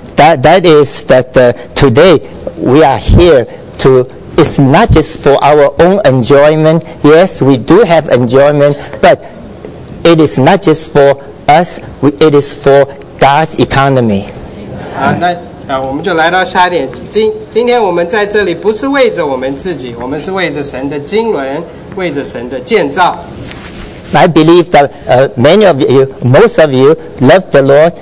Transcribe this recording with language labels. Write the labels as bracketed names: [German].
[English] That is that today we are here to, it's not just for our own enjoyment. Yes, we do have enjoyment, but it is not just for us, it is for God's economy. [Chinese] 那我们就来到下一点。今天我们在这里不是为着我们自己，我们是为着神的经纶，为着神的建造。 [English] I believe that many of you, most of you, love the Lord.